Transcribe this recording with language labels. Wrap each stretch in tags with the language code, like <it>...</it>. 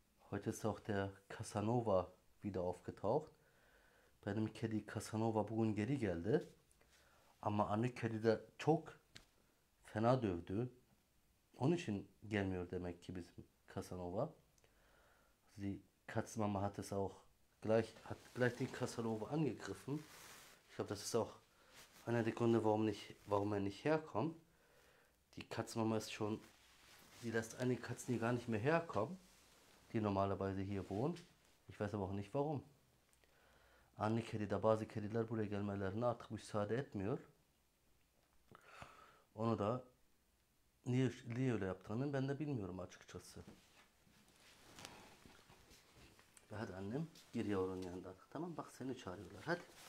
<de>Heute ist auch der Casanova wieder aufgetaucht.</de> <tr>Benim kedi Casanova bugün geri geldi. Ama anne kedi de çok fena dövdü. Onun için gelmiyor demek ki bizim Casanova.</tr> <de>Sie Katzenmama hat es auch hat gleich den Casanova angegriffen. Ich glaube, das ist auch einer der Gründe, warum er nicht herkommt. Die Katzenmama ist schon, sie lässt einige Katzen hier gar nicht mehr herkommen, die normalerweise hier wohnen. Ich weiß aber auch nicht warum.</de> <tr>Anne kedi de bazı kediler buraya gelmelerine artık müsaade etmiyor. Onu da niye öyle yaptığını ben de bilmiyorum açıkçası. Ve hadi annem gir yavrunun yanında artık. Tamam bak seni çağırıyorlar. Hadi.</tr>